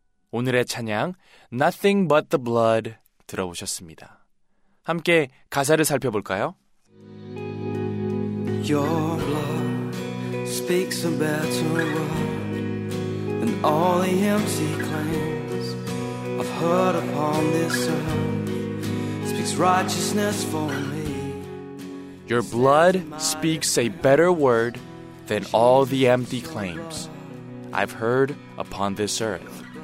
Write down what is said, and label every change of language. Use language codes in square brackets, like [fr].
[ko] 오늘의 찬양 Nothing But The Blood 들어보셨습니다. 함께 가사를 살펴볼까요? [en] Your blood speaks a better word than all the empty claims I've heard upon this earth speaks righteousness for me. Your blood speaks a better word than all the empty claims I've heard upon this earth.